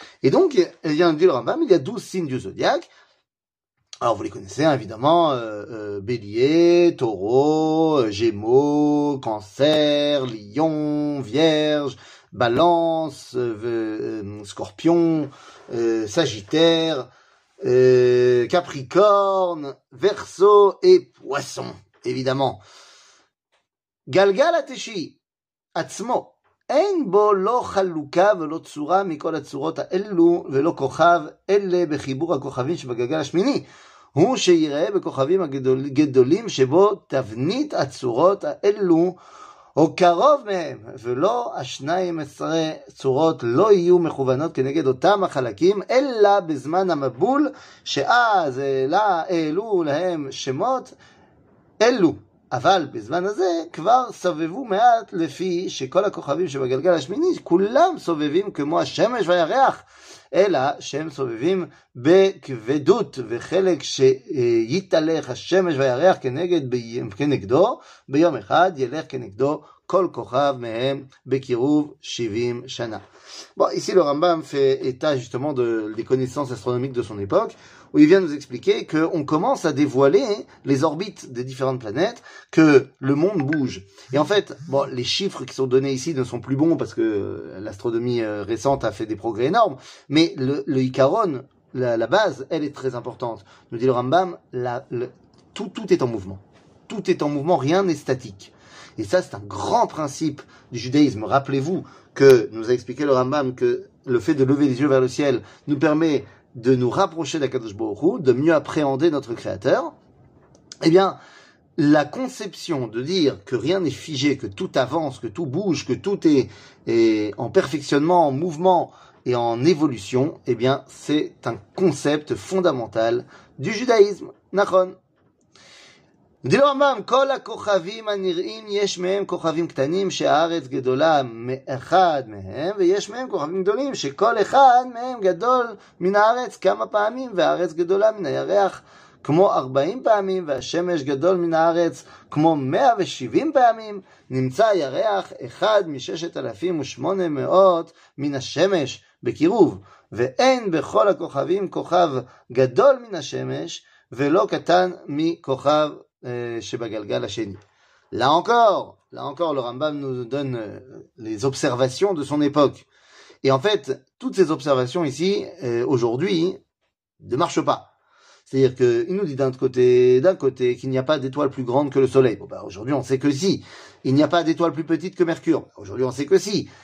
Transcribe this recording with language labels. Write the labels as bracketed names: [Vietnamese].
[French] Et donc, il y a un dit le Rambam, il y a 12 signes du zodiaque. Alors, vous les connaissez, hein, évidemment, Bélier, Taureau, Gémeaux, Cancer, Lion, Vierge, Balance, Scorpion, Sagittaire, Capricorne, Verseau et Poisson, évidemment. [Hebrew] Galgal Ateshi, Atzmo. אין בו לא חלוקה ולא צורה מכל הצורות האלו ולא כוכב אלה בחיבור הכוכבים שבגלגל השמיני הוא שיראה בכוכבים הגדולים שבו תבנית הצורות האלו או קרוב מהם ולא השניים עשרה צורות לא יהיו מכוונות כנגד אותם החלקים אלא בזמן המבול שאז העלו להם שמות אלו אבל בזמן הזה כבר סובבו מעט לפי שכל הכוכבים שבגלגל השמיני כולם סובבים כמו השמש והירח אלא שהם סובבים בכבדות וחלק שיתהלך השמש והירח כנגדו ביום אחד ילך כנגדו כל כוכב מהם בקירוב 70 שנה. [French] Bon, ici le Rambam fait état justement des connaissances astronomiques de son époque, où il vient nous expliquer qu'on commence à dévoiler les orbites des différentes planètes, que le monde bouge. Et en fait, bon, les chiffres qui sont donnés ici ne sont plus bons parce que l'astronomie récente a fait des progrès énormes, mais le Icaron, la base, elle est très importante. Nous dit le Rambam, tout est en mouvement. Tout est en mouvement, rien n'est statique. Et ça, c'est un grand principe du judaïsme. Rappelez-vous que nous a expliqué le Rambam que le fait de lever les yeux vers le ciel nous permet de nous rapprocher d'Akadosh Baruch Hu, de mieux appréhender notre Créateur. Eh bien, la conception de dire que rien n'est figé, que tout avance, que tout bouge, que tout est en perfectionnement, en mouvement et en évolution, eh bien, c'est un concept fondamental du judaïsme. [Hebrew] Nachon. דילו רמב״ם, כל הכוכבים הנראים יש מהם כוכבים קטנים שהארץ גדולה מאחד מהם ויש מהם כוכבים גדולים שכל אחד מהם גדול מן הארץ כמה פעמים והארץ גדולה מן הירח כמו 40 פעמים והשמש גדול מן הארץ כמו 170 פעמים נמצא ירח אחד מ-6,800 מן השמש בקירוב ואין בכל הכוכבים כוכב גדול מן השמש ולא קטן מכוכב שבגלגל השני. [French] Là encore, le Rambam nous donne les observations de son époque. Et en fait, toutes ces observations ici, aujourd'hui, ne marchent pas. C'est-à-dire qu'il nous dit d'un côté, qu'il n'y a pas d'étoile plus grande que le Soleil. Bon, ben, aujourd'hui, on sait que si. Il n'y a pas d'étoile plus petite que Mercure. Aujourd'hui, on sait que si.